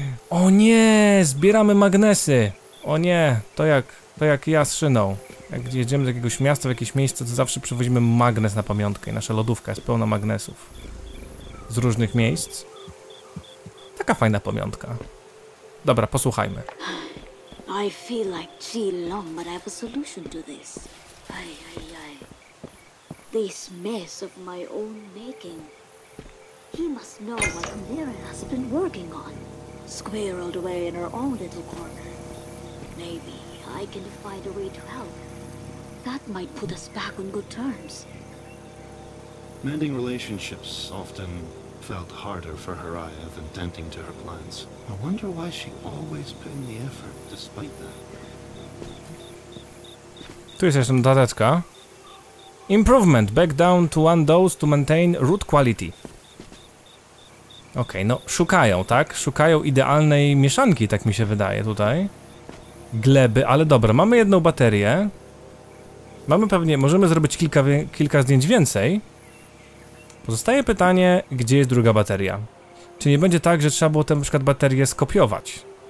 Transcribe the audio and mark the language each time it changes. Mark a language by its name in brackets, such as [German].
[Polish] O nie, zbieramy magnesy. O nie, to jak ja z szyną. Jak jedziemy do jakiegoś miasta, w jakieś miejsce, to zawsze przywozimy magnes na pamiątkę i nasza lodówka jest pełna magnesów z różnych miejsc. Taka fajna pamiątka. Dobra, posłuchajmy. [English] I feel like Geelong, but I have a solution to this. Ay, ay, ay. This mess of my own making. He must know what Mirren has been working on. Squirreled away in her own little corner. Maybe I can find a way to help. That might put us back on good terms. Mending relationships often felt harder for Haraya than tending to her plants. I wonder why she always put in the effort. [Polish] Tu jest jeszcze notateczka. [English] Improvement. Back down to one dose to maintain root quality. [Polish] Okej, okay, no szukają, tak? Szukają idealnej mieszanki, tak mi się wydaje tutaj. Gleby, ale dobra. Mamy jedną baterię. Mamy pewnie... Możemy zrobić kilka zdjęć więcej. Pozostaje pytanie, gdzie jest druga bateria? Czy nie będzie tak, że trzeba było tę na przykład baterię skopiować?